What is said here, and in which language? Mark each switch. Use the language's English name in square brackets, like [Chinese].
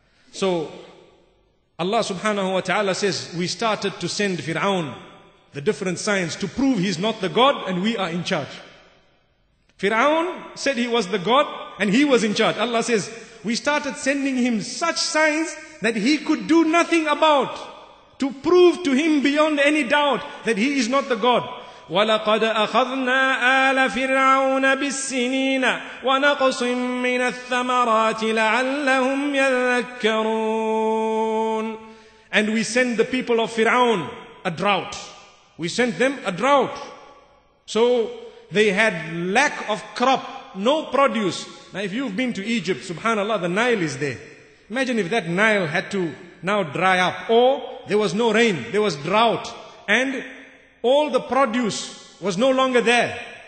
[English] So Allah subhanahu wa ta'ala says, we started to send Fir'aun the different signs to prove he's not the God and we are in charge. Fir'aun said he was the God and he was in charge. Allah says, we started sending him such signs that he could do nothing about to prove to him beyond any doubt that he is not the God. [Arabic] وَلَقَدْ أَخَذْنَا آلَ فِرْعَوْنَ بِالسِّنِينَ وَنَقْصٍ مِّنَ الثَّمَرَاتِ لَعَلَّهُمْ يَذَّكَّرُونَ And we sent the people of Fir'aun a drought. [English] We sent them a drought. So they had lack of crop, no produce. Now if you've been to Egypt, subhanAllah, the Nile is there. Imagine if that Nile had to now dry up. Or there was no rain, there was drought. And all the produce was no longer there.